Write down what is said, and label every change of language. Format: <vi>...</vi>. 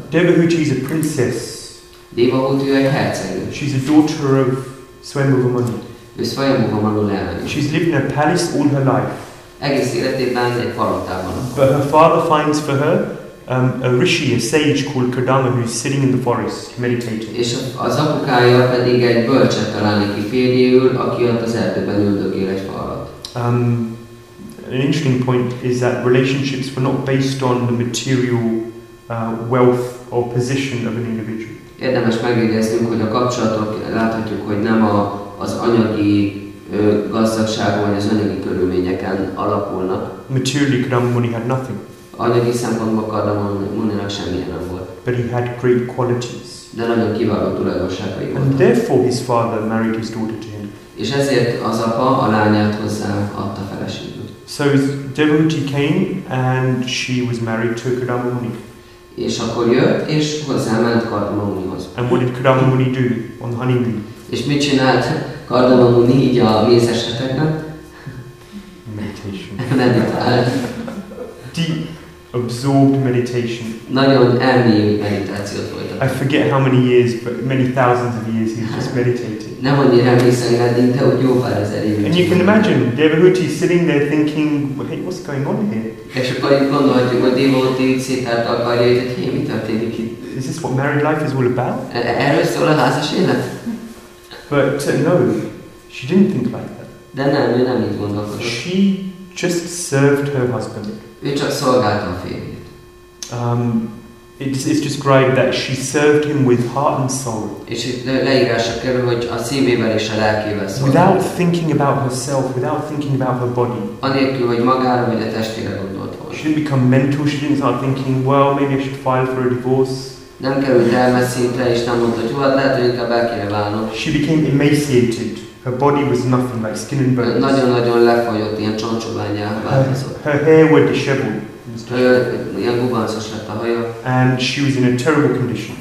<en>Devahuti is a princess.</en> <hu>Devahuti egy hercegnő.</hu> <en>She's a daughter of Swayambhuva Muni.</en> <hu>Ő Swayambhuva Muni leány.</hu> <en>She's lived in a palace all her life.</en> <hu>Egész életében egy palotában.</hu> <en>But her father finds for her a rishi, a sage called Kardama, who is sitting in the forest meditating.</en> <hu>És az apukája pedig egy bölcset talál neki férjéül, aki ott az erdőben üldögél egy fa alatt.</hu> <en>An interesting point is that relationships were not based on the material wealth or position of an individual.</en> <hu>Érdemes megjegyeznünk, hogy a kapcsolatok láthatjuk, hogy nem az anyagi gazdagságon vagy az anyagi körülményeken alapulnak.</hu> <en>Materially, Kardama Muni had nothing.</en> <hu>Anyagi szempontból Kardama Muninak semmilyen nem volt.</hu> <en>But he had great qualities.</en> <hu>De nagyon kiváló tulajdonságai voltak.</hu> <en>And therefore his father married his daughter to him.</en> <hu>És ezért az apa a lányát hozzá adta feleségül.</hu> <en>So Devahuti came and she was married to Kardama Muni.</en> <hu>És akkor jött és hozzáment Kardama Munihoz.</hu> <en>And what did Kardama Muni do on the honeymoon?</en> <hu>És mit csinált Kardama Muni így a mész esetekben?</hu> <en>Meditation.</en> <hu>Meditál.</hu> <en>Deep, absorbed meditation.</en> <hu>Nagyon elmélyült meditációt folytatott.</hu> <en>I forget how many years, but many thousands of years he's just meditated.</en> <hu>Nem annyira emlékszem, de úgy jó pár ezer év.</hu> <en>And you can imagine, Devahuti sitting there thinking, hey, what's going on here?</en> <hu>És akkor itt gondolhatjuk, hogy Devahuti így szétárt akarja, hogy hé, mi történik itt?</hu> <en>Is this what married life is all about?</en> <hu>Erről szól a házas élet?</hu> <en>But no, she didn't think like that.</en> <hu>De nem, ő nem így gondolkodott.</hu> <en>She just served her husband.</en> <hu>Ő csak szolgálta a férjét.</hu> <en>It's described that she served him with heart and soul.</en> <hu>És leírása kerül, hogy a szívével és a lelkével szolgált.</hu> <en>Without thinking about herself, without thinking about her body.</en> <hu>Anélkül, hogy magára vagy a testére gondolt volna.</hu> <en>She didn't become mental, she didn't start thinking, well, maybe I should file for a divorce.</en> <hu>Nem került elme szintre, és nem mondta, hogy jó, hát lehet, hogy inkább el kéne válnom.</hu> <en>She became emaciated. Her body was nothing like skin and bones.</en> <hu>Nagyon-nagyon lefolyott, ilyen csontsoványá változott.</hu> <en>Her hair was disheveled.</en> <hu>Ilyen gubancos lett a haja.</hu> <en>And she was in a terrible condition.</en>